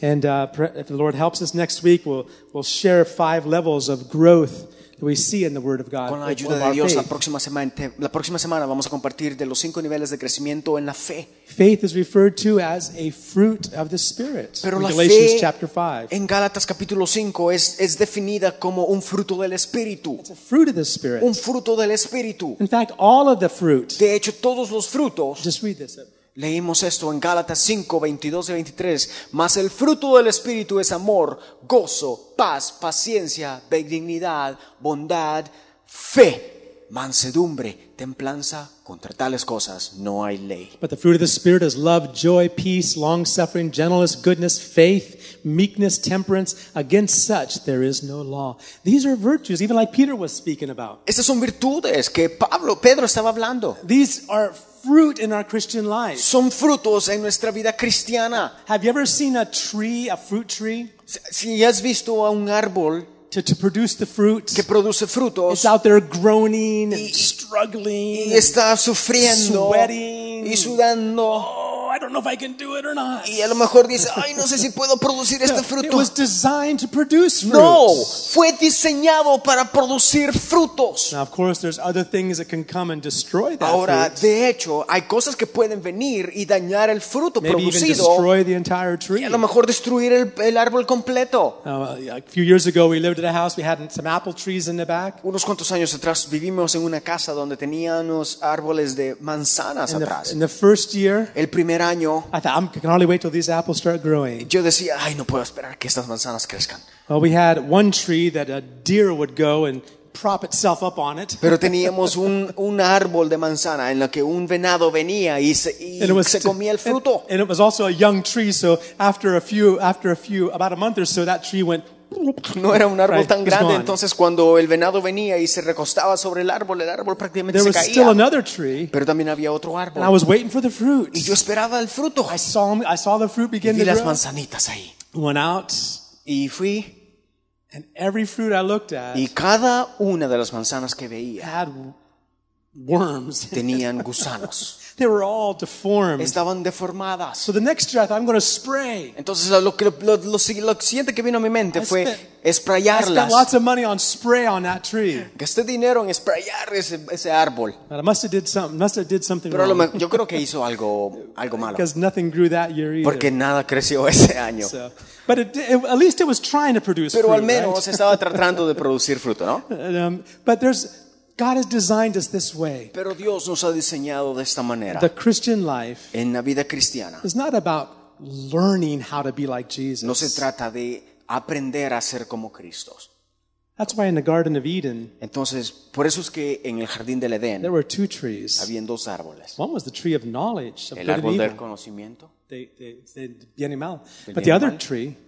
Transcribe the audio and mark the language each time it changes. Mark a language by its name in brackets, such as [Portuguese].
[English] And if the Lord helps us next week, we'll share five levels of growth that we see in the Word of God. [Spanish] Con la ayuda de Dios, la próxima semana vamos a compartir de los cinco niveles de crecimiento en la fe. [English] Faith is referred to as a fruit of the Spirit. [Spanish] Pero [English] in [Spanish] la [English] Galatians [Spanish] fe [English] chapter 5. [Spanish] En Gálatas capítulo 5 es definida como un fruto del Espíritu. [English] It's a fruit of the Spirit. [Spanish] Un fruto del Espíritu. [English] In fact, all of the fruit. [Spanish] De hecho, todos los frutos. [English] Just read this. [Spanish] Leímos esto en Gálatas 5, 22 y 23. Mas el fruto del Espíritu es amor, gozo, paz, paciencia, benignidad, bondad, fe, mansedumbre, templanza. Contra tales cosas no hay ley. [English] But the fruit of the Spirit is love, joy, peace, long-suffering, gentleness, goodness, faith, meekness, temperance. Against such there is no law. These are virtues, even like Peter was speaking about. [Spanish] Estas son virtudes que Pedro estaba hablando. [English] These are fruit in our Christian life. [Spanish] Son frutos en nuestra vida cristiana. [English] Have you ever seen a tree, a fruit tree? [Spanish] Si has visto a un árbol [English] to produce the fruit, [Spanish] que produce frutos, [English] it's out there groaning and struggling, [Spanish] y está sufriendo, [English] sweating, [Spanish] y sudando. [English] Oh, I don't know if I can do it or not. [Spanish] Y a lo mejor dice, ay, no sé si puedo producir este fruto. [English] It was designed to produce fruit. [Spanish] No, fue diseñado para producir frutos. [English] Now, of course, there's other things that can come and destroy that. [Spanish] Ahora, [English] fruit. [Spanish] De hecho, hay cosas que pueden venir y dañar el fruto [English] Maybe [Spanish] producido. [English] Even destroy the entire tree. [Spanish] Y a lo mejor destruir el árbol completo. [English] A few years ago, we lived in a house. We had some apple trees in the back. [Spanish] Unos cuantos años atrás vivimos en una casa donde teníamos árboles de manzanas atrás. [English] In the first year, [Spanish] el primer año, [English] I thought, I can hardly wait till these apples start growing. [Spanish] Yo decía, ay, no puedo esperar que estas manzanas crezcan. [English] Well, we had one tree that a deer would go and prop itself up on it. [Spanish] Pero teníamos un árbol de manzana en la que un venado venía y se comía el fruto. [English] And it was also a young tree, so after a few, about a month or so, that tree went. [Spanish] No era un árbol tan grande, entonces cuando el venado venía y se recostaba sobre el árbol prácticamente [English] There [Spanish] caía. [English] Still another tree, [Spanish] pero también había otro árbol. [English] And I was waiting for the fruit. [Spanish] Y yo esperaba el fruto. [English] I saw the fruit begin [Spanish] y vi [English] to [Spanish] las [English] grow. [Spanish] Manzanitas ahí. [English] Went out, [Spanish] y fui. [English] And every fruit I looked at, [Spanish] y cada una de las manzanas que veía [English] had worms. [Spanish] Tenían gusanos. [English] They were all deformed. [Spanish] Estaban deformadas. [English] So the next year I thought, I'm going to spray. [Spanish] Entonces lo siguiente que vino a mi mente fue sprayarlas. [English] I spent lots of money on spray on that tree. [Spanish] Gasté dinero en sprayar ese árbol. [English] But I must have did something [Spanish] Pero [English] wrong. [Spanish] Pero yo creo que hizo algo malo. [English] Because nothing grew that year either. [Spanish] Porque nada creció ese año. [English] So, but at least it was trying to produce [Spanish] Pero [English] fruit, [Spanish] al menos [English] right? [Spanish] estaba tratando de producir fruto, ¿no? [English] But there's God has designed us this way. [Spanish] Pero Dios nos ha diseñado de esta manera. [English] The Christian life [Spanish] en la vida cristiana [English] is not about learning how to be like Jesus. [Spanish] No se trata de aprender a ser como Cristo. [English] That's why in the Garden of Eden, [Spanish] entonces, por eso es que en el jardín del Edén, [English] there were two trees. [Spanish] Habían dos árboles. [English] One was the tree of knowledge, [Spanish] el árbol del conocimiento. Bien y mal. [English] But the other tree,